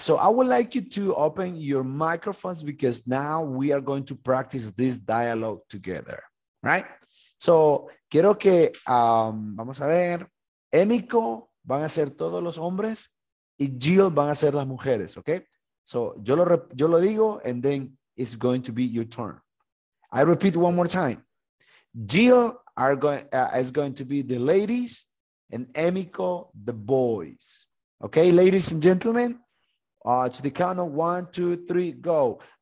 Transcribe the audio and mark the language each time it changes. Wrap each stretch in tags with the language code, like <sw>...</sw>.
<en>So I would like you to open your microphones because now we are going to practice this dialogue together. Right?</en> <es>So quiero que, vamos a ver, Emiko van a ser todos los hombres y Jill van a ser las mujeres.</es> <en>Okay? So</en> <es>yo lo digo</es> <en>and then it's going to be your turn. I repeat one more time. Jill is going to be the ladies. And Emiko, the boys. Okay, ladies and gentlemen, to the count of 1, 2, 3, go.</en>